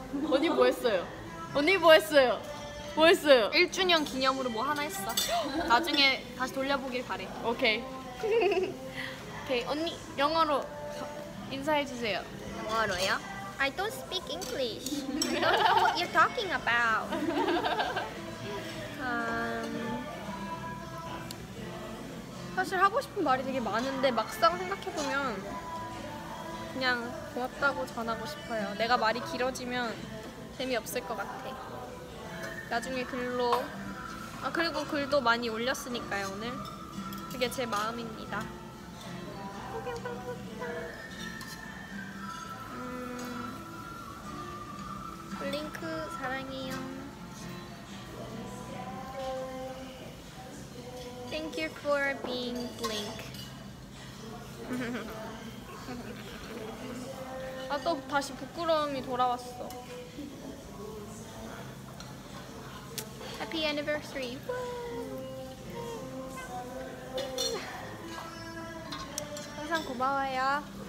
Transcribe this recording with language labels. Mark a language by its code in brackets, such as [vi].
[ko] 언니 뭐 했어요? 언니 뭐 했어요? 뭐 했어요? 1주년 기념으로 뭐 하나 했어. 나중에 다시 돌려보길 바래. 오케이. 오케이. 언니 영어로 인사해 주세요. 영어로요? [en] I don't speak English. I don't know what you're talking about. Um, [ko] 사실 하고 싶은 말이 되게 많은데 막상 생각해보면 그냥 고맙다고 전하고 싶어요. 내가 말이 길어지면 재미없을 것 같아. 나중에 글로, 아 그리고 글도 많이 올렸으니까요 오늘. 그게 제 마음입니다. 블링크 사랑해요. [en] Thank you for being Blink. [ko] 아 또 다시 부끄러움이 돌아왔어. [en] Happy anniversary. [ko] 항상 고마워요.